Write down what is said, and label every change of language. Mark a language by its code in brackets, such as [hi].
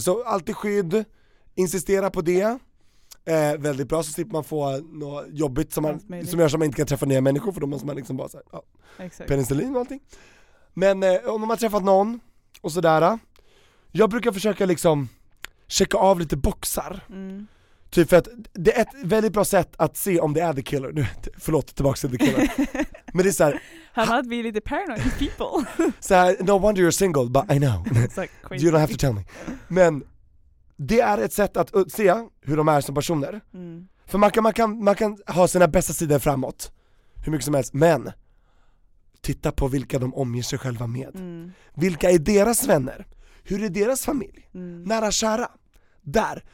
[sv] Så alltid skydd. Insistera på det. Väldigt bra, så slipper man få något jobbigt som gör så att man inte kan träffa nya människor, för då måste man liksom bara såhär, penicillin och allting. Men om man har träffat någon och sådär, jag brukar försöka liksom checka av lite boxar. Typ för att det är ett väldigt bra sätt att se om det är [en] the killer. [sv] Nu, förlåt, tillbaka till [en] the killer. [sv] Men det är såhär, han har blivit lite paranoid people. [en] Såhär, no wonder you're single, but I know. Like, you don't have to tell me. [sv] Men det är ett sätt att se hur de är som personer. För man kan ha sina bästa sidor framåt hur mycket som helst, men titta på vilka de omger sig själva med. Vilka är deras vänner? Hur är deras familj? Nära kära? Där.